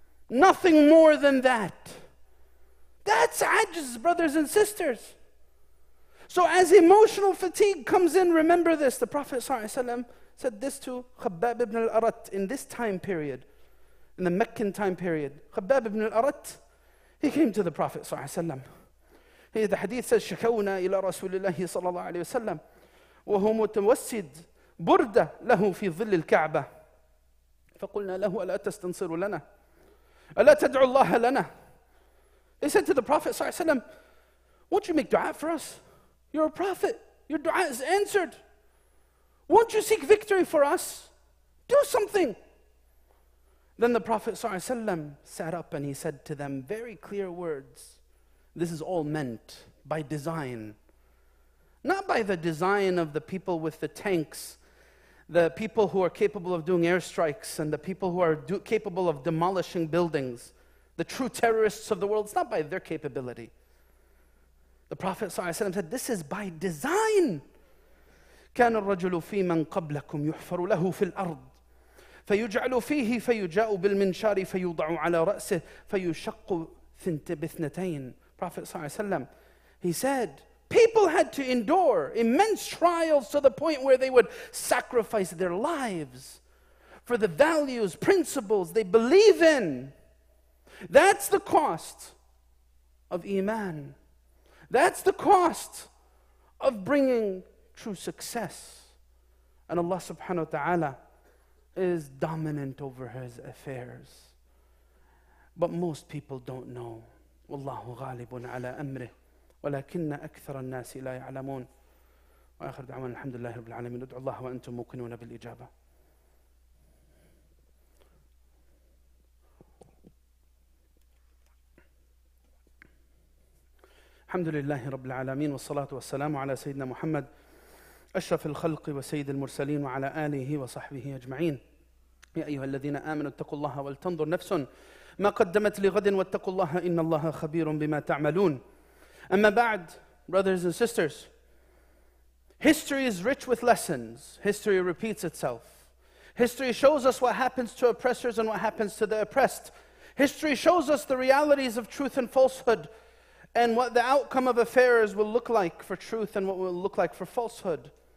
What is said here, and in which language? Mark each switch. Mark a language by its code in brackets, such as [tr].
[en] Nothing more than that. That's ajz, brothers and sisters. So as emotional fatigue comes in, remember this. The Prophet ﷺ said this to Khabbab ibn al-Arat in this time period, in the Meccan time period. Khabbab ibn al-Arat, he came to the Prophet ﷺ. Hey, the hadith says, [ar] شكونا إلى رسول الله صلى الله عليه وسلم وهو متوسد بردة له في ظل الكعبة فقلنا له ألا تستنصر لنا ألا تدعو الله لنا. [en] They said to the Prophet صلى الله عليه وسلم, won't you make dua for us? You're a prophet. Your dua is answered. Won't you seek victory for us? Do something. Then the Prophet صلى الله عليه وسلم sat up and he said to them very clear words. This is all meant by design. Not by the design of the people with the tanks, the people who are capable of doing airstrikes, and the people who are capable of demolishing buildings, the true terrorists of the world. It's not by their capability. The Prophet ﷺ said, this is by design. [ar] كان الرجل في من قبلكم يحفر له في الأرض فيجعل فيه فيجاء بالمنشار فيوضع على رأسه فيشق بثنتين. [en] Prophet ﷺ, he said, people had to endure immense trials to the point where they would sacrifice their lives for the values, principles they believe in. That's the cost of Iman. That's the cost of bringing true success. And Allah subhanahu wa ta'ala is dominant over His affairs. But most people don't know. [ar] والله غالب على أمره ولكن أكثر الناس لا يعلمون وآخر دعوانا الحمد لله رب العالمين ندعو الله وأنتم موقنون بالإجابة. الحمد لله رب العالمين والصلاة والسلام على سيدنا محمد أشرف الخلق وسيد المرسلين وعلى آله وصحبه أجمعين. يا أيها الذين آمنوا اتقوا الله ولتنظر نفس ما قدمت لغد واتقوا الله إن الله خبير بما تعملون. أما بعد, [en] brothers and sisters, history is rich with lessons. History repeats itself. History shows us what happens to oppressors and what happens to the oppressed. History shows us the realities of truth and falsehood and what the outcome of affairs will look like for truth and what will look like for falsehood.